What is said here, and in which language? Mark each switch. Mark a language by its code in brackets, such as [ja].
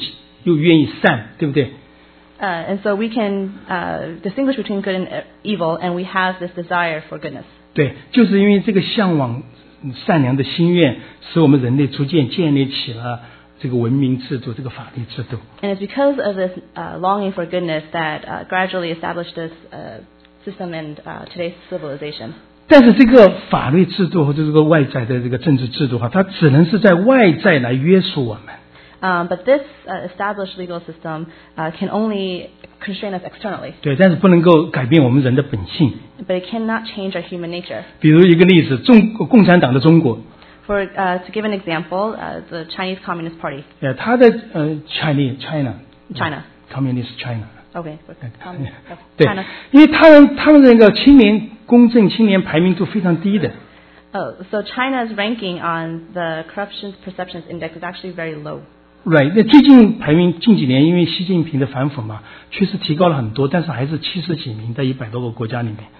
[zh] 所以哈，我们因为有这样一个，我们能够分辨善恶，但是我们又愿意善，对不对？ [en] And so we can distinguish between good and evil, and we have this desire for goodness. [zh] 对，就是因为这个向往善良的心愿，使我们人类逐渐建立起了。这个文明制度, 这个法律制度。 [en] And it's because of this longing for goodness that gradually established this system and today's civilization. [zh] 但是这个法律制度和这个外在的这个政治制度啊, 它只能是在外在来约束我们。 [en] But this established legal system can only constrain us externally. [zh] 对, 但是不能够改变我们人的本性。 [en] But it cannot change our human nature. [zh] 比如一个例子, 共产党的中国。 [en] For to give an example, the Chinese Communist Party. Yeah, [zh] 他的 [en] China. China. Communist China. Okay. But, China. [zh] 对，因为他们那个公正青年排名度非常低的。 [en] So China's ranking on the corruption perceptions index is actually very low. Right. [zh] 那最近排名近几年因为习近平的反腐嘛，确实提高了很多，但是还是七十几名在一百多个国家里面。